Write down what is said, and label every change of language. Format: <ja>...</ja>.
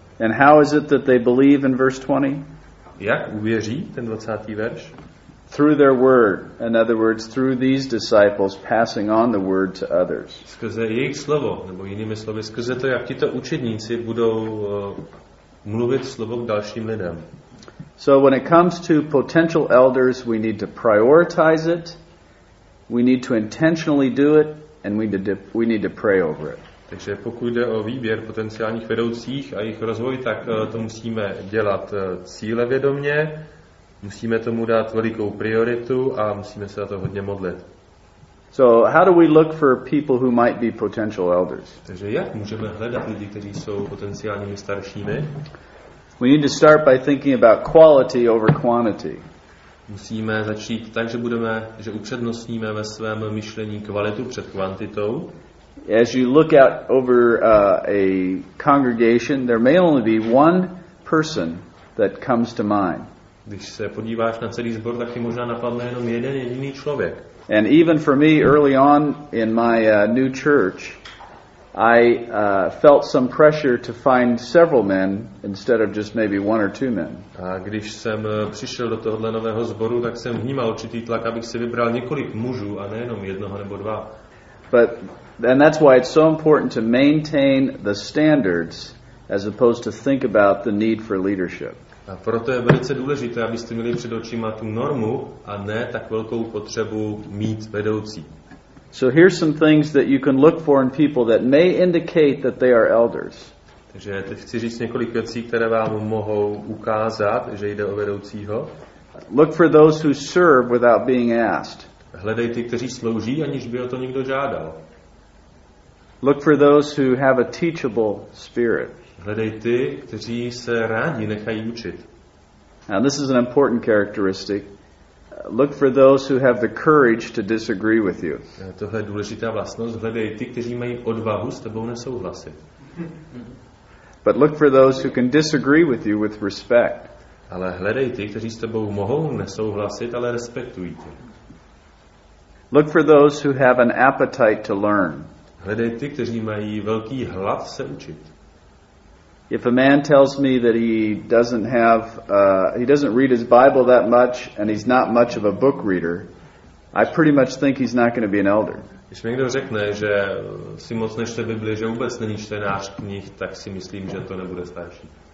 <en>And how is it that they believe in verse 20?</en> <cs>Jak uvěří ten 20. verš?</cs> <en>Through their word, in other words, through these disciples passing on the word to others.</en> <cs>Skrze jejich slovo, nebo jinými slovy, skrze to, jak tito učedníci budou mluvit slovo k dalším lidem.</cs> <en>So when it comes to potential elders, we need to prioritize it, we need to intentionally do it, and we need to pray over it.</en> <cs>Takže pokud jde o výběr potenciálních vedoucích a jejich rozvoj, tak to musíme dělat cílevědomě. Musíme tomu dát velikou prioritu a musíme se za to hodně modlit.</cs> <en>So, how do we look for people who might be potential elders?</en> <cs>Takže jak můžeme hledat lidi, kteří jsou potenciálními staršími?</cs> <en>We need to start by thinking about quality over quantity.</en> <cs>Musíme začít tak, že upřednostníme ve svém myšlení kvalitu před kvantitou.</cs> <en>As you look out over a congregation, there may only be one person that comes to mind.</en> <cs>Když se podíváš na celý sbor, tak ti možná napadne jenom jeden jediný člověk.</cs> <en>And even for me early on in my new church, I felt some pressure to find several men instead of just maybe one or two men.</en> <cs>A když jsem přišel do tohohle nového sboru, tak jsem vnímal určitý tlak, abych si vybral několik mužů a nejenom jednoho nebo dva.</cs> <en>But and that's why it's so important to maintain the standards as opposed to think about the need for leadership.</en> <cs>A proto je velice důležité, abyste měli před očima tu normu a ne tak velkou potřebu mít vedoucí.</cs> <en>So here's some things that you can look for in people that may indicate that they are elders.</en> <cs>Takže teď chci říct několik věcí, které vám mohou ukázat, že jde o vedoucího.</cs> <en>Look for those who serve without being asked.</en> <cs>Hledej ty, kteří slouží, aniž by o to někdo žádal.</cs> <en>Look for those who have a teachable spirit.</en> <cs>Hledej ty, kteří se rádi nechají učit.</cs> <en>Now this is an important characteristic. Look for those who have the courage to disagree with you.</en> <cs>Tohle je důležitá vlastnost. Hledej ty, kteří mají odvahu s tebou nesouhlasit.</cs> <en>But look for those who can disagree with you with respect.</en> <cs>Ale hledej ty, kteří s tebou mohou nesouhlasit, ale respektují tě.</cs> <en>Look for those who have an appetite to learn.</en> <cs>Hledej ty, kteří mají velký hlad se učit.</cs> <en>If a man tells me that he doesn't read his Bible that much and he's not much of a book reader, I pretty much think he's not going to be an elder.</en> <cs>Když mi někdo řekne, že si moc nečte Bibli, že vůbec není čtenář knih, tak si myslím, že to nebude starší.</cs>